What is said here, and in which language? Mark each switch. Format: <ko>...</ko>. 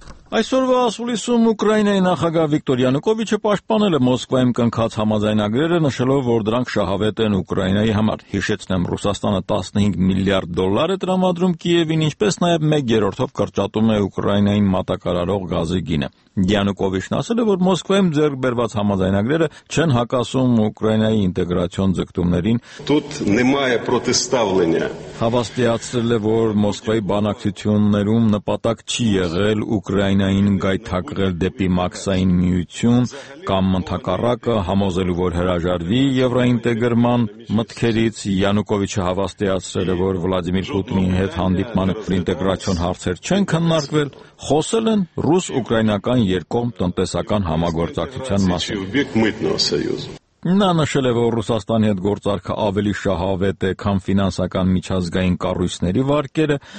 <hy>Այսօրվա ասուլիսում Ուկրաինայի նախագահ Վիկտոր Յանուկովիչը պաշտպանել է Մոսկվայում կնքած համաձայնագրերը, նշելով, որ դրանք շահավետ են Ուկրաինայի համար։ Հիշեցնեմ, Ռուսաստանը 15 միլիարդ դոլար է տրամադրում Կիևին, ինչպես նաև 1/3-ով կրճատում է Ուկրաինային մատակարարող գազի գինը։ Յանուկովիչն ասել է, որ Մոսկվայում ձեռք բերված համաձայնագրերը չեն հակասում Ուկրաինայի ինտեգրացիոն ձգտումներին։</hy> <uk>Тут немає протиставлення.</uk> <hy>Հավաստիացրել է, որ Մոսկվայի բանակցություններում նպատակ չի եղել Ուկրաինային գայթակղել դեպի մաքսային միություն կամ ընդհակառակը, համոզելու, որ հրաժարվի եվրոինտեգրման մտքերից։ Յանուկովիչը հավաստիացրել է, որ Վլադիմիր Պուտինին հետ հանդիպմանը ինտեգրացիոն հարցեր չեն քննարկվել, խոսել են ռուս-ուկրաինական երկողմ տնտեսական համագործակցության մասին։ Նա նշել է, որ Ռուսաստանի հետ գործարքը ավելի շահավետ է, քան ֆինանսական միջազգային կառույցների վարկերը։</hy>